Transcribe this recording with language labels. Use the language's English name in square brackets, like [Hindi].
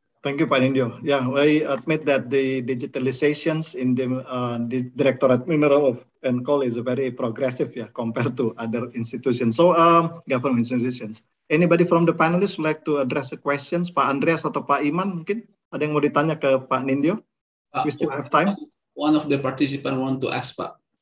[English] Thank you, Pak Nindyo. Yeah, we admit that the digitalizations in the Directorate Mineral of and Coal is very progressive, yeah, compared to other institutions. So, government institutions. Anybody from the panelists would like to address the questions, Pak Andreas atau Pak Iman? [Indonesian] Mungkin ada yang mau ditanya ke Pak Nindyo. [English] We still have time. One of the participants want to ask, Pak.